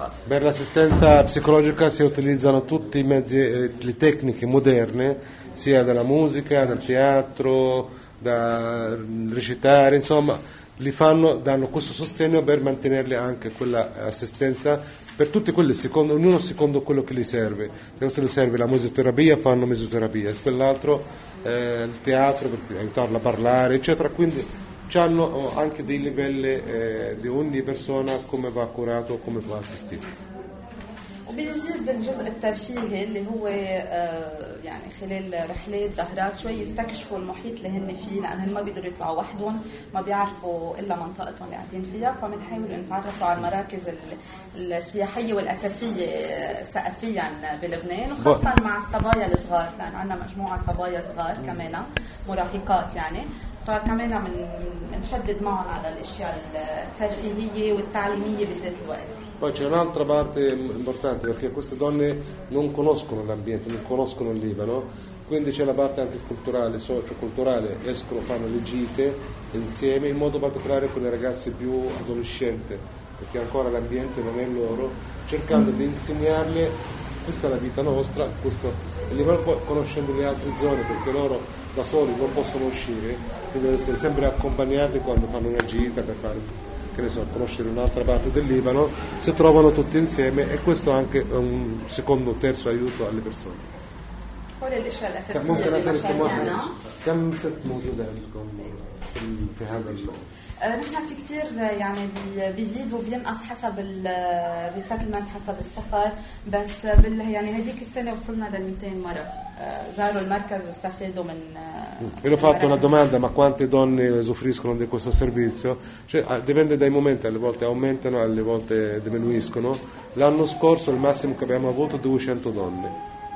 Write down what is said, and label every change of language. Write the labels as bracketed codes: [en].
[it] per l'assistenza psicologica si utilizzano tutti i mezzi, le tecniche moderne, sia della musica, dal teatro, dal recitare, insomma, li fanno, danno questo sostegno per mantenerli anche quella assistenza per tutti quelli, secondo, ognuno secondo quello che gli serve. Però se gli serve la musicoterapia fanno musicoterapia, quell'altro il teatro per aiutarla a parlare, eccetera. Quindi c'hanno anche dei livelli di ogni persona come va curato, come va assistito. [ar] وبيزيد الجزء الترفيهي اللي هو يعني خلال رحلات ظهرات شوي يستكشفوا المحيط اللي هن فيه، لأن هن ما بيقدروا يطلعوا وحدهم، ما بيعرفوا إلا منطقتهم اللي قاعدين فيها، فبنحاول نتعرفوا على المراكز السياحية والأساسية ثقافيا بلبنان، وخاصة مع الصبايا الصغار، لأن عنا مجموعة صبايا صغار كمان مراهقات يعني، فكمان بنشدد معهم على الأشياء الترفيهية والتعليمية بذات الوقت. [it] Poi c'è un'altra parte importante, perché queste donne non conoscono l'ambiente, non conoscono il Libano, quindi c'è la parte anche culturale, socioculturale, escono, fanno le gite insieme, in modo particolare con le ragazze più adolescenti, perché ancora l'ambiente non è loro, cercando di insegnarle questa è la vita nostra, questo è il Libano, poi conoscendo le altre zone, perché loro da soli non possono uscire, quindi devono essere sempre accompagnate quando fanno una gita per fare che ne so, conoscere un'altra parte del Libano, si trovano tutti insieme, e questo anche è un secondo o terzo aiuto alle persone. Quale dice la sessione di [ar] في هذا نحن في كتير يعني بيزيد وبينقص حسب الريسيتلمنت حسب السفر بس بال يعني هذيك السنة وصلنا لل 200 مرة زاروا المركز واستفادوا من [it] e l'ho fatto una domanda, ma quante donne usufruiscono di questo servizio? Cioè, dipende dai momenti, alle volte aumentano, alle volte diminuiscono. L'anno scorso il massimo che abbiamo avuto 200 donne.